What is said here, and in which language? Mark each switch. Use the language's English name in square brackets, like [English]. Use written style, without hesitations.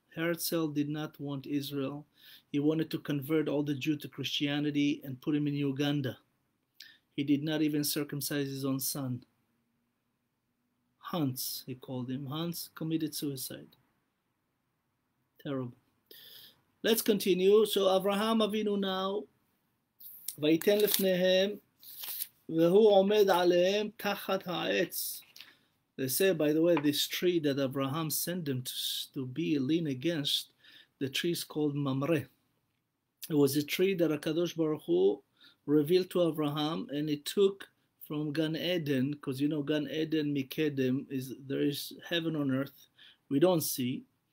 [English] Herzl did not want Israel. He wanted to convert all the Jews to Christianity and put him in Uganda. He did not even circumcise his own son. Hans, he called him. Hans committed suicide. Terrible. Let's continue. So Abraham Avinu now, [Hebrew] ויתן לפניהם, והוא עומד עליהם תחת העץ. [English] They say, by the way, this tree that Abraham sent them to be lean against, the tree is called Mamre. It was a tree that HaKadosh Baruch Hu revealed to Abraham, and it took from Gan Eden, because you know Gan Eden Mikedem, there is heaven on earth we don't see.